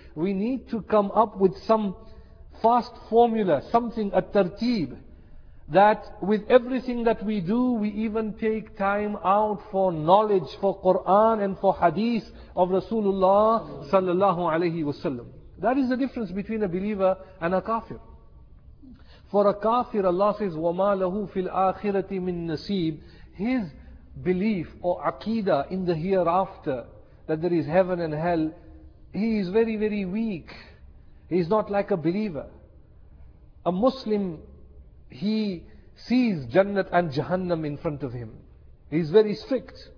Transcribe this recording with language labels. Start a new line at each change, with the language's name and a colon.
English: We need to come up with some fast formula, something, a tartib, that with everything that we do, we even take time out for knowledge, for Quran and for hadith of Rasulullah sallallahu alayhi wasallam. That is the difference between a believer and a kafir. For a kafir, Allah says,
Arabic: وَمَا لَهُ فِي الْآخِرَةِ مِن نَصِيبٍ.
English: His belief or aqeedah in the hereafter, that there is heaven and hell, he is very, very weak. He is not like a believer. A Muslim, he sees Jannat and Jahannam in front of him. He is very strict.